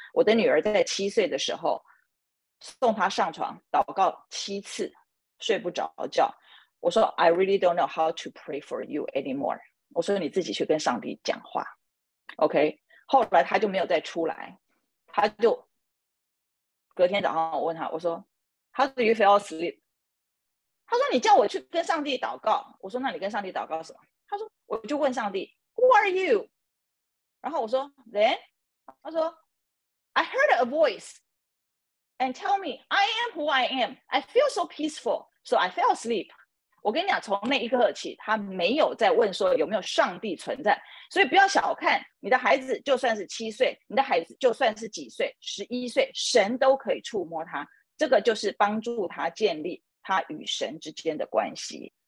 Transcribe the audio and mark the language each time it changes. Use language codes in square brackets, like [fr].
[zh] 我的女儿在7岁的时候送她上床祷告7次睡不着觉，我说 [en] I really don't know how to pray for you anymore， [zh] 我说你自己去跟上帝讲话 OK。后来她就没有再出来，她就隔天早上我问她，我说 [en] How do you feel asleep？ [zh] 他说你叫我去跟上帝祷告，我说那你跟上帝祷告什么？他说我就问上帝 [en] Who are you？ [zh] 然后我说 [en] Then [zh] 他说 [en] I heard a voice and tell me I am who I am. I feel so peaceful, so I fell asleep. [zh] 我跟你讲，从那一刻起他没有再问说有没有上帝存在。所以不要小看你的孩子，就算是7岁，你的孩子就算是几岁，11岁，神都可以触摸他。这个就是帮助他建立他与神之间的关系。